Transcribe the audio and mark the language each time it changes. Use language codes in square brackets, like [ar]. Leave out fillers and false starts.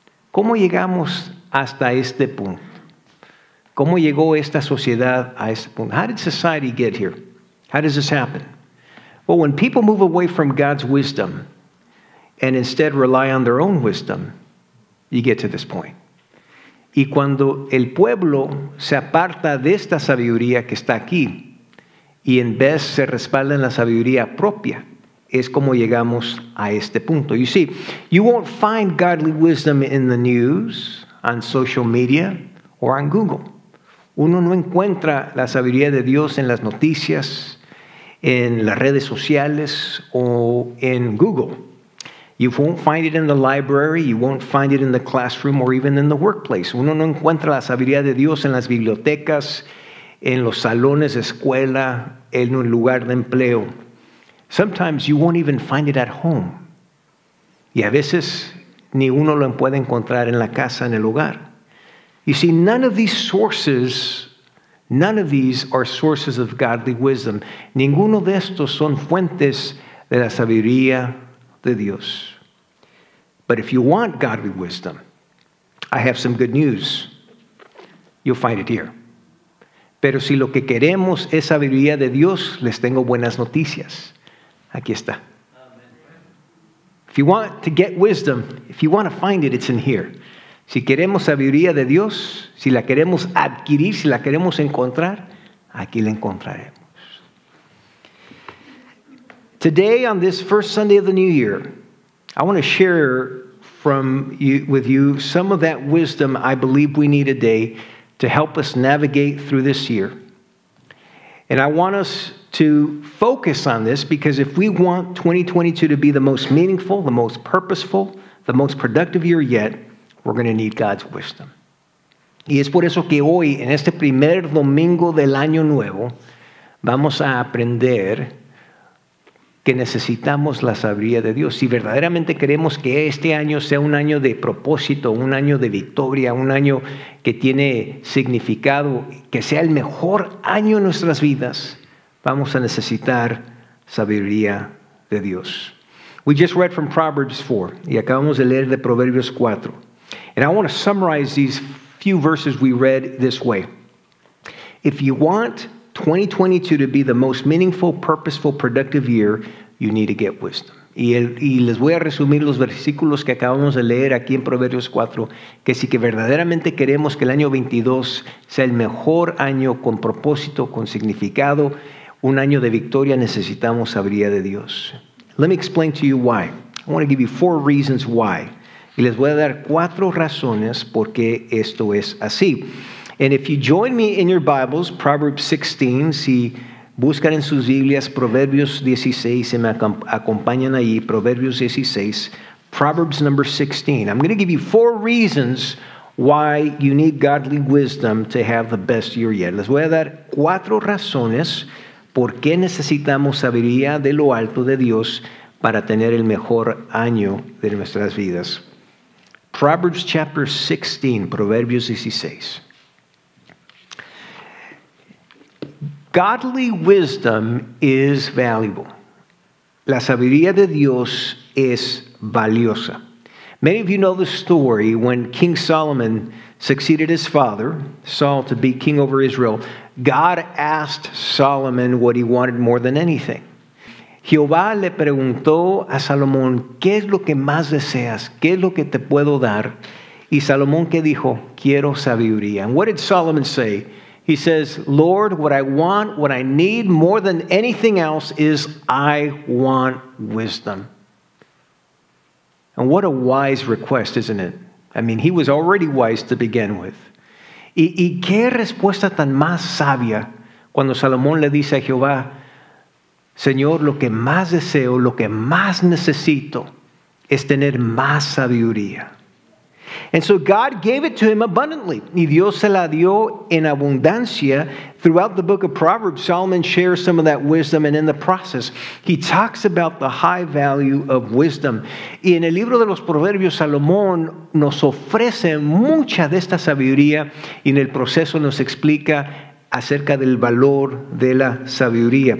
[es] ¿Cómo llegamos hasta este punto? ¿Cómo llegó esta sociedad a este punto? [en] How did society get here? How does this happen? Well, when people move away from God's wisdom and instead rely on their own wisdom, you get to this point. [es] Y cuando el pueblo se aparta de esta sabiduría que está aquí, y en vez se respalda en la sabiduría propia, es como llegamos a este punto. [en] You see, you won't find godly wisdom in the news, on social media, or on Google. [es] Uno no encuentra la sabiduría de Dios en las noticias, en las redes sociales, o en Google. [en] You won't find it in the library, you won't find it in the classroom, or even in the workplace. [es] Uno no encuentra la sabiduría de Dios en las bibliotecas, en los salones de escuela, en un lugar de empleo. [en] Sometimes you won't even find it at home. [es] Y a veces ni uno lo puede encontrar en la casa, en el hogar. [en] You see, none of these are sources of godly wisdom. [es] Ninguno de estos son fuentes de la sabiduría de Dios. [en] But if you want godly wisdom, I have some good news. You'll find it here. [es] Pero si lo que queremos es sabiduría de Dios, les tengo buenas noticias. Aquí está. [en] If you want to get wisdom, if you want to find it, it's in here. [es] Si queremos sabiduría de Dios, si la queremos adquirir, si la queremos encontrar, aquí la encontraremos. [en] Today, on this first Sunday of the new year, I want to share with you some of that wisdom I believe we need today to help us navigate through this year. And I want us to focus on this because if we want 2022 to be the most meaningful, the most purposeful, the most productive year yet, we're going to need God's wisdom. [es] Y es por eso que hoy, en este primer domingo del año nuevo, vamos a aprender que necesitamos la sabiduría de Dios. Si verdaderamente queremos que este año sea un año de propósito, un año de victoria, un año que tiene significado, que sea el mejor año en nuestras vidas, vamos a necesitar sabiduría de Dios. [en] We just read from Proverbs 4, [es] y acabamos de leer de Proverbios 4. [en] And I want to summarize these few verses we read this way. If you want 2022 to be the most meaningful, purposeful, productive year, you need to get wisdom. [es] Y les voy a resumir los versículos que acabamos de leer aquí en Proverbios 4, que si que verdaderamente queremos que el año 22 sea el mejor año con propósito, con significado, un año de victoria, necesitamos sabiduría de Dios. [en] Let me explain to you why. I want to give you 4 reasons why. [es] Y les voy a dar 4 razones por qué esto es así. [en] And if you join me in your Bibles, Proverbs 16, [es] si buscan en sus Biblias Proverbios 16, se me acompañan ahí, Proverbios 16, [en] Proverbs number 16. I'm going to give you 4 reasons why you need godly wisdom to have the best year yet. [es] Les voy a dar 4 razones por qué necesitamos sabiduría de lo alto de Dios para tener el mejor año de nuestras vidas. [en] Proverbs chapter 16, Proverbios 16. Godly wisdom is valuable. [es] La sabiduría de Dios es valiosa. [en] Many of you know the story when King Solomon succeeded his father, Saul, to be king over Israel. God asked Solomon what he wanted more than anything. [es] Jehová le preguntó a Salomón, ¿qué es lo que más deseas? ¿Qué es lo que te puedo dar? Y Salomón, ¿qué dijo? Quiero sabiduría. [en] And what did Solomon say? He says, Lord, what I want, what I need more than anything else is I want wisdom. And what a wise request, isn't it? I mean, he was already wise to begin with. [es] Y qué respuesta tan más sabia cuando Salomón le dice a Jehová, Señor, lo que más deseo, lo que más necesito es tener más sabiduría. [en] And so God gave it to him abundantly. [es] Y Dios se la dio en abundancia. [en] Throughout the book of Proverbs, Solomon shares some of that wisdom. And in the process, he talks about the high value of wisdom. [es] Y en el libro de los Proverbios, Salomón nos ofrece mucha de esta sabiduría. Y en el proceso nos explica acerca del valor de la sabiduría.